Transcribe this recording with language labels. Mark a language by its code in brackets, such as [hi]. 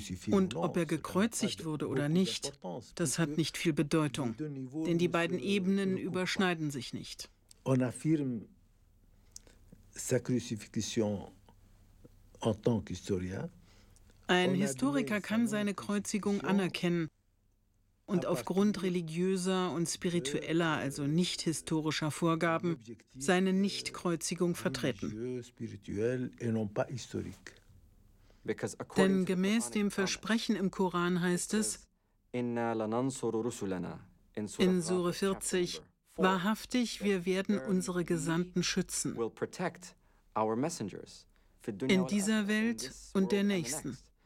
[de] Und ob er gekreuzigt wurde oder nicht, das hat nicht viel Bedeutung, denn die beiden Ebenen überschneiden sich nicht. [fr] On affirme sa crucifixion en tant qu'historien. [de] Ein Historiker kann seine Kreuzigung anerkennen und aufgrund religiöser und spiritueller, also nicht historischer Vorgaben, seine Nicht-Kreuzigung vertreten. Denn gemäß dem Versprechen im Koran heißt es, in Sure 40, wahrhaftig, wir werden unsere Gesandten schützen, in dieser Welt und der nächsten.